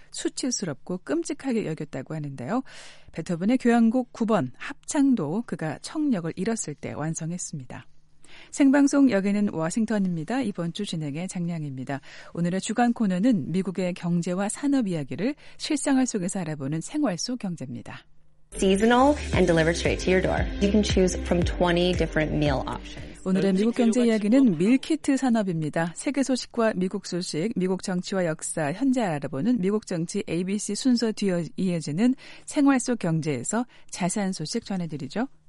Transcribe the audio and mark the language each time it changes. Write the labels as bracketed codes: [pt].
[ko] 수치스럽고 끔찍하게 여겼다고 하는데요. 베토벤의 교향곡 9번 합창도 그가 청력을 잃었을 때 완성했습니다. 생방송 여기는 워싱턴입니다. 이번 주 진행의 장량입니다. 오늘의 주간 코너는 미국의 경제와 산업 이야기를 실생활 속에서 알아보는 생활 속 경제입니다. [en] Seasonal and delivered straight to your door. You can choose from 20 different meal options. [ko] 오늘의 미국 경제 이야기는 밀키트 산업입니다. 세계 소식과 미국 소식, 미국 정치와 역사, 현재 알아보는 미국 정치 ABC 순서 뒤에 이어지는 생활 속 경제에서 자세한 소식 전해드리죠.